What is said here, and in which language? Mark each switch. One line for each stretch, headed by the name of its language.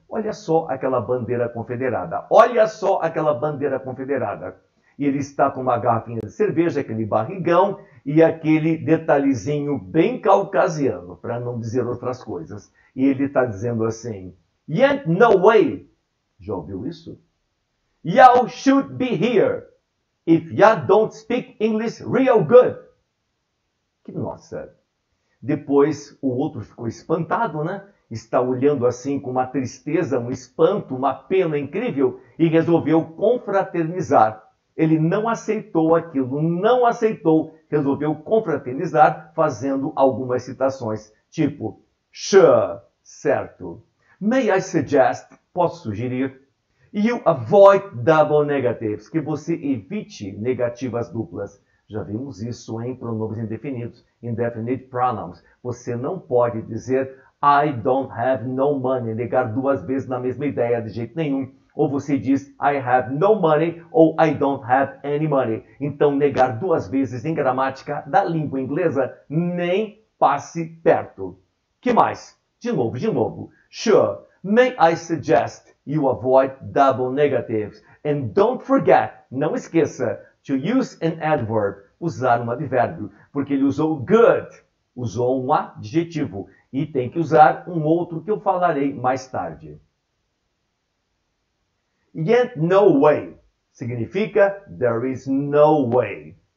Portuguese: Olha só aquela bandeira confederada. Olha só aquela bandeira confederada. E ele está com uma garrafinha de cerveja, aquele barrigão e aquele detalhezinho bem caucasiano, para não dizer outras coisas. E ele está dizendo assim:
English: Yet no way.
Portuguese: Já ouviu isso?
English: Y'all should be here if y'all don't speak English real good.
Portuguese: Que nossa! Depois o outro ficou espantado, né? Está olhando assim com uma tristeza, um espanto, uma pena incrível e resolveu confraternizar. Ele não aceitou aquilo, não aceitou, resolveu confraternizar fazendo algumas citações, tipo,
English: sure,
Portuguese: certo.
English: May I suggest,
Portuguese: posso sugerir,
English: you avoid double negatives,
Portuguese: que você evite negativas duplas. Já vimos isso em pronomes indefinidos,
English: indefinite pronouns.
Portuguese: Você não pode dizer
English: I don't have no money,
Portuguese: negar duas vezes na mesma ideia de jeito nenhum. Ou você diz
English: I have no money
Portuguese: ou
English: I don't have any money.
Portuguese: Então, negar duas vezes em gramática da língua inglesa, nem passe perto. Que mais? De novo, de novo.
English: Sure, may I suggest you avoid double negatives. And don't forget,
Portuguese: não esqueça,
English: to use an adverb,
Portuguese: usar um advérbio. Porque ele usou good, usou um adjetivo. e tem que usar um outro que eu falarei mais tarde.
English: Yet no way
Portuguese: significa
English: there is no way.